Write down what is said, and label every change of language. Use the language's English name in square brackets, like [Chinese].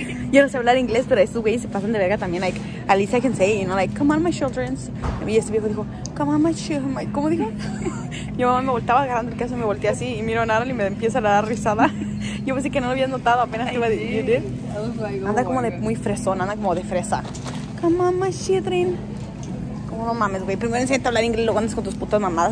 [Spanish] Yo no sé hablar inglés, pero estos güeyes se pasan de verga también. [English] Like, at least I can say, you know, like, come on, my children. [Spanish] Y este viejo dijo, [English] come on, my children. [Spanish] ¿Cómo dijo? Yo mamá me voltaba agarrando el caso, me volteé así y miro a Naral y me empieza a dar risada. Yo pensé que no lo habías notado, apenas iba a decir. Like, oh, anda como de muy fresón, anda como de fresa. [English] Come on, my children. [Spanish] Como no mames, güey. Primero enseñate a hablar inglés y luego andas con tus putas mamadas.